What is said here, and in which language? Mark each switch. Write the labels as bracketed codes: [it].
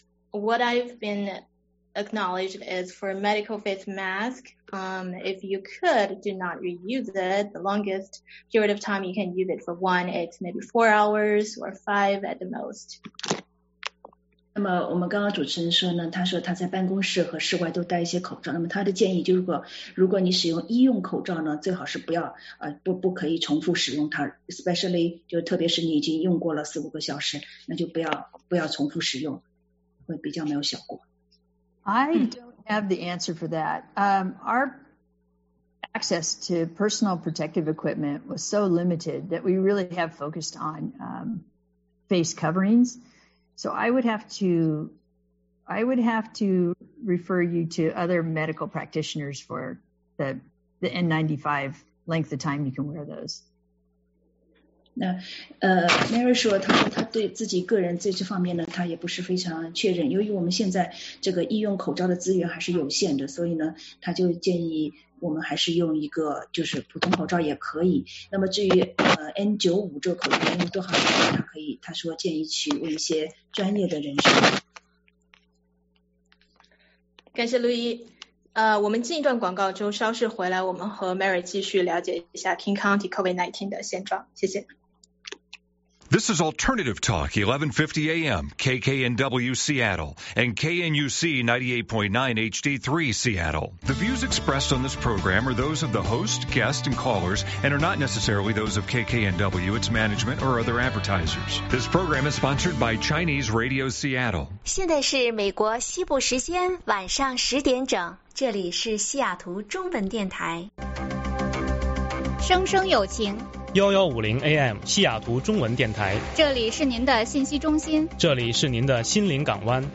[en] What I've been acknowledged is for a medical face mask, if you could, do not reuse it. The longest period of time you can use it for one, it's maybe 4 hours or 5 at the most. [zh] 那么我们刚刚主持人说呢，他说他在办公室和室外都戴一些口罩。那么他的建议就是如果你使用医用口罩呢，最好是不要不可以重复使用它 ， [en] especially [zh] 就特别是你已经用过了4-5个小时，那就不要重复使用，会比较没有效果。 [en] I don't have the answer for that. Our access to personal protective equipment was so limited that we really have focused on face coverings. So I would have to refer you to other medical practitioners for the N95 length of time you can wear those. [zh] 那Mary 说她说她对自己个人在这方面呢她也不是非常确认，由于我们现在这个医用口罩的资源还是有限的，所以呢她就建议我们还是用一个就是普通口罩也可以。那么至于N95 这个口罩用多少年，她可以她说建议去问一些专业的人士。感谢路易。我们进一段广告之后稍事回来，我们和 Mary 继续了解一下 King County COVID-19 的现状。谢谢。 [en] This is Alternative Talk, 1150 AM, KKNW Seattle, and KNUC 98.9 HD3 Seattle. The views expressed on this program are those of the host, guest, and callers, and are not necessarily those of KKNW, its management, or other advertisers. This program is sponsored by Chinese Radio Seattle. [zh] 现在是美国西部时间晚上十点整，这里是西雅图中文电台。声声有情。 1150 AM 西雅图中文电台，这里是您的信息中心，这里是您的心灵港湾，